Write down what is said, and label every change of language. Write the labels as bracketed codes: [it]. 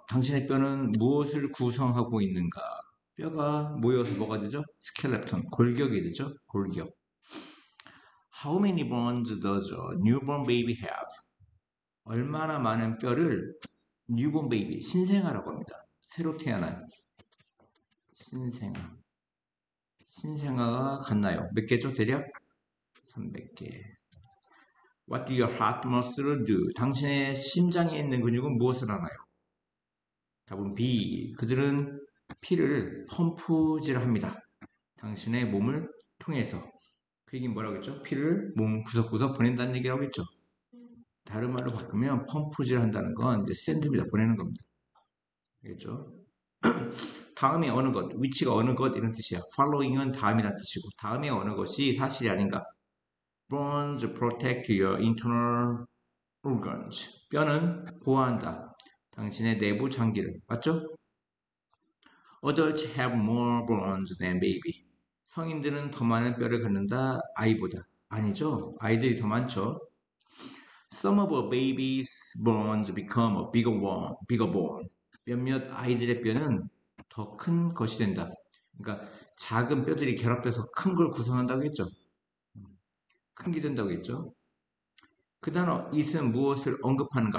[ko] 당신의 뼈는 무엇을 구성하고 있는가? 뼈가 모여서 뭐가 되죠? Skeleton, 골격이 되죠? 골격. [en] How many bones does a newborn baby have? [ko] 얼마나 많은 뼈를 [en] newborn baby, [ko] 신생아라고 합니다. 새로 태어난 신생아. 신생아가 갖나요? 몇 개죠? 대략 300개. [en] What do your heart muscles do? [ko] 당신의 심장에 있는 근육은 무엇을 하나요? 답은 B. 그들은 피를 펌프질합니다. 당신의 몸을 통해서. 그 얘기는 뭐라고 했죠? 피를 몸 구석구석 보낸다는 얘기라고 했죠? 다른 말로 바꾸면 펌프질한다는 건 이제 샌드입니다. 보내는 겁니다. 알겠죠? 다음에 어느 것, 위치가 어느 것 이런 뜻이야. Following은 다음이라는 뜻이고, 다음에 어느 것이 사실이 아닌가? [en] Bones protect your internal organs. [ko] 뼈는 보호한다. 당신의 내부 장기를. 맞죠? [en] Adults have more bones than baby. [ko] 성인들은 더 많은 뼈를 갖는다. 아이보다. 아니죠? 아이들이 더 많죠? [en] Some of a baby's bones become a bigger bone. [ko] 몇몇 아이들의 뼈는 더큰 것이 된다. 그러니까 작은 뼈들이 결합돼서 큰걸 구성한다고 했죠? 큰게 된다고 했죠? 그 단어 is은 무엇을 언급하는가?